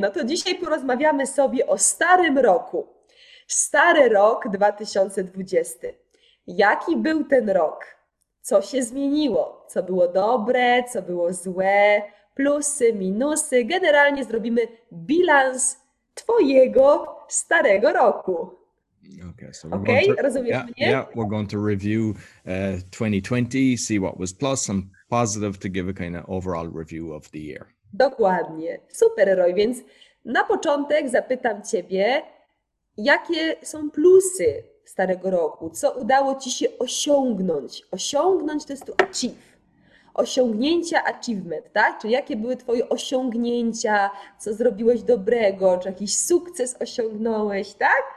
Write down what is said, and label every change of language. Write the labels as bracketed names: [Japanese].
[Polish] No to dzisiaj porozmawiamy sobie o starym roku. Stary rok 2020. Jaki był ten rok? Co się zmieniło? Co było dobre, co było złe? Plusy, minusy. Generalnie zrobimy bilans twojego starego roku. [English] We're going to review 2020, see what was plus and positive to give a kind of overall review of the year. [Polish] Dokładnie. Super, Roy. Więc na początek zapytam ciebie, jakie są plusy starego roku? Co udało ci się osiągnąć? Osiągnąć to jest tu achieve. Osiągnięcia, achievement, tak? Czyli jakie były twoje osiągnięcia, co zrobiłeś dobrego, czy jakiś sukces osiągnąłeś, tak?